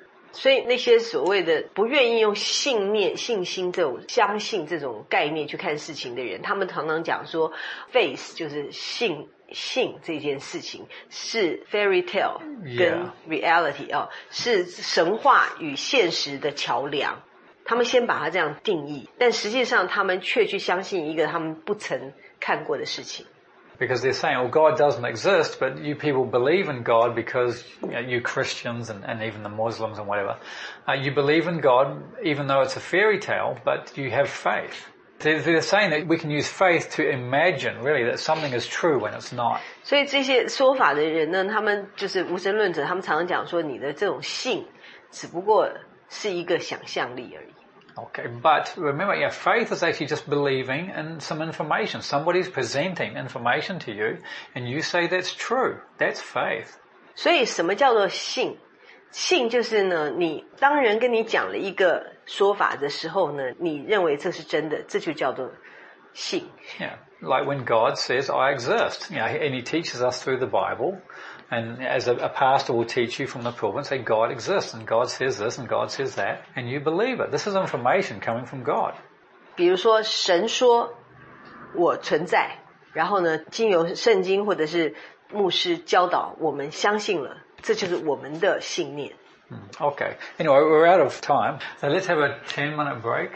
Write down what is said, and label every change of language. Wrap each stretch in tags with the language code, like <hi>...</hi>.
<zh>所以那些所谓的不愿意用信念、信心这种相信这种概念去看事情的人，他们常常讲说 ，faith 就是信这件事情是 fairy tale 跟 reality、 yeah. 哦、是神话与现实的桥梁。他们先把它这样定义，但实际上他们却去相信一个他们不曾看过的事情。</zh> <en>Because they're saying, well, God doesn't exist, but you people believe in God because you, know, you Christians and even the Muslims and whatever,、you believe in God even though it's a fairy tale, but you have faith. They're saying that we can use faith to imagine, really, that something is true when it's not.</en> <zh>所以这些说法的人呢他们就是无神论者他们常常讲说你的这种信只不过是一个想象力而已。</zh> <en>Okay, but remember, yeah, faith is actually just believing in some information. Somebody's presenting information to you, and you say that's true. That's faith.</en> <zh>所以什么叫做信？信就是呢，你当人跟你讲了一个说法的时候呢，你认为这是真的，这就叫做信。</zh> <en>Yeah, like when God says, I exist. Yeah, and he teaches us through the Bible. And as a pastor will teach you from the pulpit, say God exists, and God says this, and God says that, and you believe it. This is information coming from God.</en> <zh>比如说神说，我存在，然后呢，经由圣经或者是牧师教导，我们相信了，这就是我们的信念。</zh> <en>Okay. Anyway, we're out of time. So let's have a 10-minute break.</en>